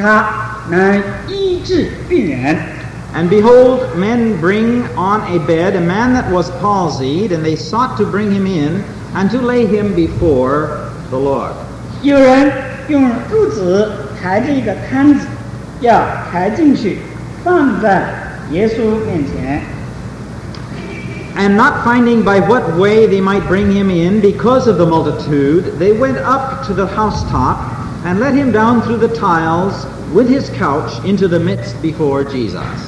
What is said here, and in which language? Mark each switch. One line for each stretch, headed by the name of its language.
Chinese: 有法利赛人和教法师在旁边坐着，他们是从加利利各乡村和犹太并耶路撒冷来的，主的能力与耶稣同在，使他能医治病人。
English: And behold, men bring on a bed a man that was palsied, and they sought to bring him in and to lay him before the Lord.
Chinese: 有人用褥子 抬着一个摊子, 要抬进去, 放在耶稣面前。
English: And not finding by what way they might bring him in because of the multitude, they went up to the housetop and let him down through the tiles with his couch into the midst before Jesus.